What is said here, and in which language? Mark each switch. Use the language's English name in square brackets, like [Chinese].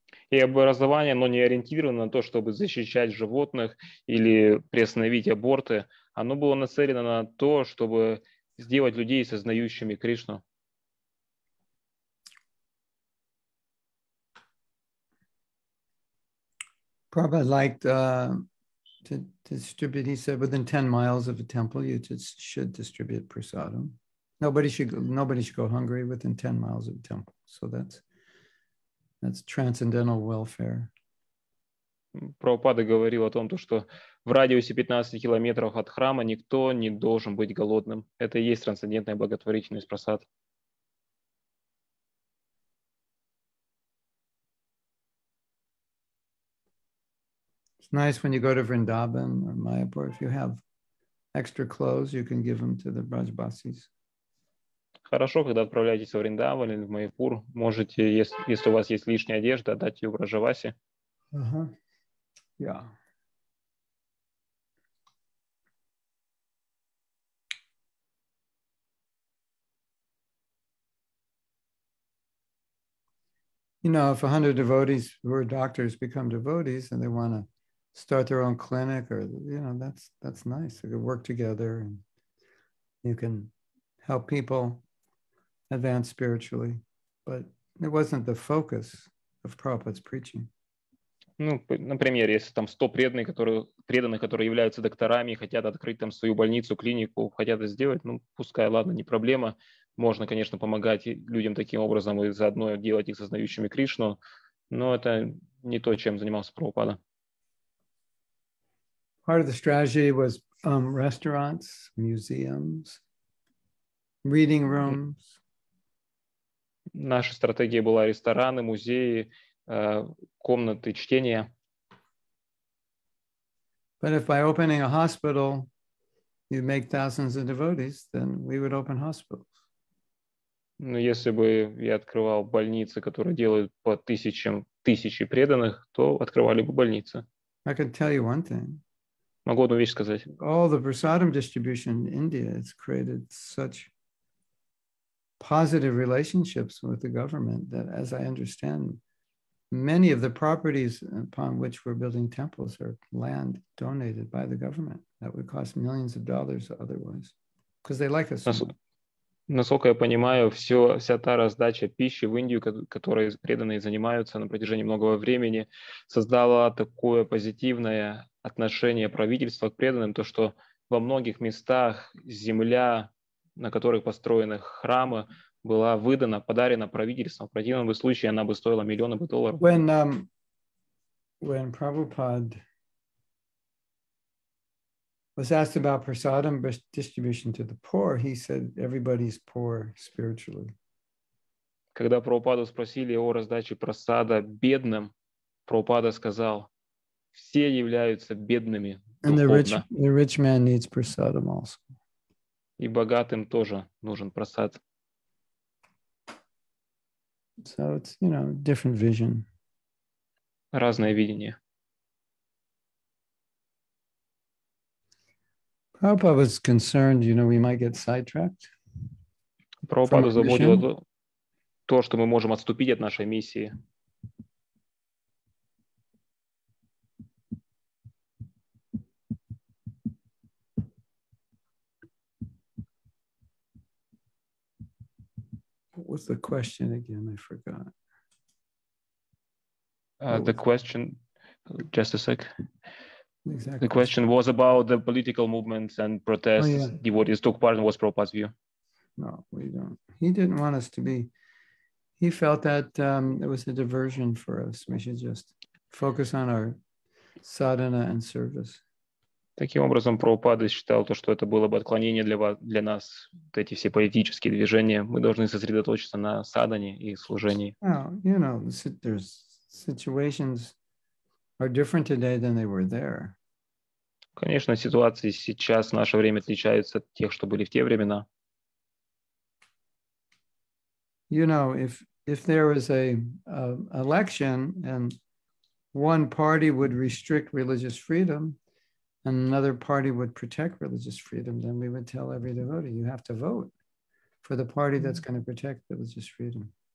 [Russian] И образование, оно не ориентировано на то, чтобы защищать животных или приостановить аборты. Оно было нацелено на то, чтобы сделать людей сознающими Кришну. [English] Prabhupada liked to distribute, he said, within 10 miles of a temple, you just should distribute prasadam. Nobody should go hungry within 10 miles of a temple. So that's transcendental welfare. [Russian] Прабхупада говорил о том, что в радиусе 15 километров от храма никто не должен быть голодным. Это и есть трансцендентная благотворительность, прасад. [English] It's nice when you go to Vrindavan or Mayapur. If you have extra clothes, you can give them to the Brajbasis. [Russian] Хорошо, когда отправляетесь в Вриндаван или в Майяпур, можете, если у вас есть лишняя одежда, отдать ее Брадживаси. [English] Yeah. You know, if 100 devotees who are doctors become devotees and they want to start their own clinic, or, you know, that's nice. They could work together and you can help people advance spiritually. But it wasn't the focus of Prabhupada's preaching. [Russian] Ну, например, если там 100 преданных, которые являются докторами и хотят открыть там свою больницу, клинику, хотят это сделать, ну, пускай, ладно, не проблема. Можно, конечно, помогать людям таким образом и заодно делать их сознающими Кришну, но это не то, чем занимался Прабхупада. [English] Part of the strategy was restaurants, museums. reading rooms. [Russian] Наша стратегия была рестораны, музеи, комнаты чтения. [English] But if by opening a hospital you make thousands of devotees, then we would open hospitals. [Russian] Но если бы я открывал больницы, которые делают по тысячам, тысячи преданных, то открывали бы больницы. [English] I can tell you one thing. [Russian] Могу одну вещь сказать. [English] All the prasadam distribution in India has created such positive relationships with the government that, as I understand, many of the properties upon which we're building temples are land donated by the government that would cost millions of dollars otherwise, because they like us. [Russian] Насколько я понимаю, вся та раздача пищи в Индию, которой преданные занимаются на протяжении многого времени, создала такое позитивное отношение правительства к преданным, то, что во многих местах земля, на которых построены храмы, была выдана, подарена правительством. В противном случае она бы стоила миллионы долларов. [English] When Prabhupada was asked about prasadam distribution to the poor, he said, everybody's poor spiritually. [Russian] Когда Прабхупаду спросили о раздаче прасада бедным, Прабхупада сказал, все являются бедными духовно. [English] And the rich man needs prasadam also. [Russian] И богатым тоже нужен прасад. [English] So it's, you know, different vision. [Russian] Разное видение. [English] Prabhupada was concerned, you know, we might get sidetracked. [Russian] Прабхупада заботило то, что мы можем отступить от нашей миссии. [English] What's the question again? I forgot. The question, just a sec. Exactly. The question was about the political movements and protests. Oh, yeah. Devotees took part in what's Prabhupada's view? No, we don't. He didn't want us to be. He felt that it was a diversion for us. We should just focus on our sadhana and service. [Russian] Таким образом, Прабхупада считал то, что это было бы отклонение для нас, вот эти все политические движения. Мы должны сосредоточиться на садхане и служении. [English] Well, you know, there's situations are different today than they were there. [Russian] Конечно, ситуации сейчас в наше время отличаются от тех, что были в те времена. [English] You know, if there was a election and one party would restrict religious freedom, and another party would protect religious freedom, then we would tell every devotee, you have to vote for the party that's going to protect religious freedom.